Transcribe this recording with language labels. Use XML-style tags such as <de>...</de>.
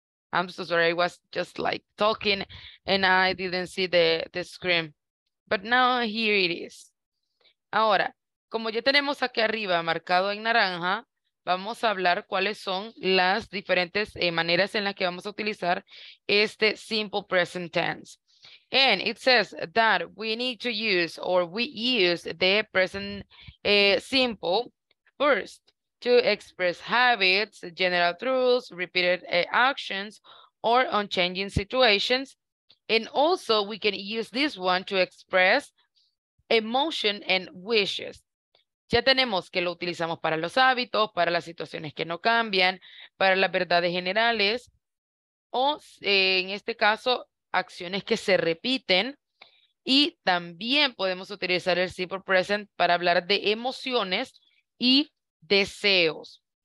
<en>I'm so sorry, I was just like talking and I didn't see the screen. But now here it is.</en> <es>Ahora, como ya tenemos aquí arriba marcado en naranja, vamos a hablar cuáles son las diferentes maneras en las que vamos a utilizar este</es> <en>simple present tense. And it says that we need to use, or we use the present simple first, to express habits, general truths, repeated actions, or unchanging situations. And also we can use this one to express emotion and wishes.</en> <es>Ya tenemos que lo utilizamos para los hábitos, para las situaciones que no cambian, para las verdades generales, o en este caso, acciones que se repiten. Y también podemos utilizar el</es> <en>simple present</en> <es>para hablar de emociones y deseos.</es>